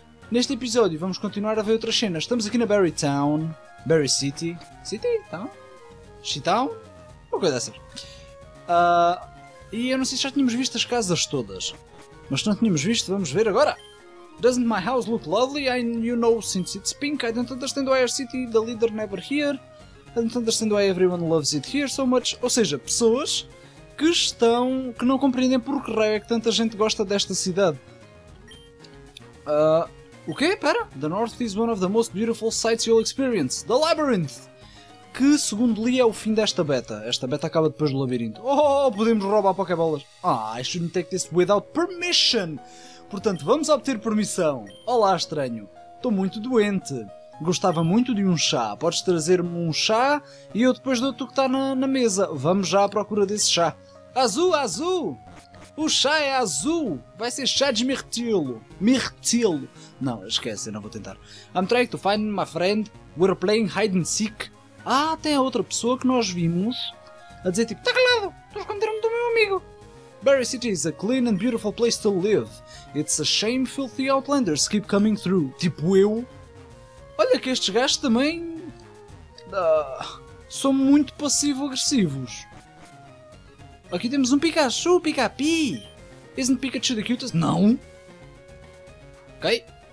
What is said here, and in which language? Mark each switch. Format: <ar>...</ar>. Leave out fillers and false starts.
<pt>Neste episódio vamos continuar a ver outras cenas. Estamos aqui na Berry Town. Berry City. City? Então? Chitown? Uma coisa dessas. E eu não sei se já tínhamos visto as casas todas. Mas se não tínhamos visto, vamos ver agora.</pt> <en>Doesn't my house look lovely? And you know, since it's pink, I don't understand why our city, the leader, never here. I don't understand why everyone loves it here so much.</en> <pt>Ou seja, pessoas que estão... que não compreendem por que raio é que tanta gente gosta desta cidade. O quê? Pera!</pt> <en>The North is one of the most beautiful sights you'll experience. The Labyrinth!</en> <pt>Que, segundo li, é o fim desta beta. Esta beta acaba depois do labirinto. Oh, podemos roubar pokébolas.</pt> <en>Ah, I shouldn't take this without permission.</en> <pt>Portanto, vamos obter permissão. Olá, estranho. Estou muito doente. Gostava muito de um chá. Podes trazer-me um chá e eu depois dou-te o que está na mesa. Vamos já à procura desse chá. Azul, azul! O chá é azul! Vai ser chá de mirtilo. Mirtilo. Não, esquece, eu não vou tentar.</pt> <en>I'm trying to find my friend. We're playing hide and seek.</en> <pt>Ah, tem a outra pessoa que nós vimos a dizer tipo, está calado, estou a esconder-me do meu amigo.</pt> <en>Berry City is a clean and beautiful place to live. It's a shame filthy outlanders keep coming through.</en> <pt>Tipo eu. Olha que estes gajos também... são muito passivo-agressivos. Aqui temos um Pikachu, Pikapi.</pt> <en>Isn't Pikachu the cutest?</en> <pt>Não. Ok.</pt>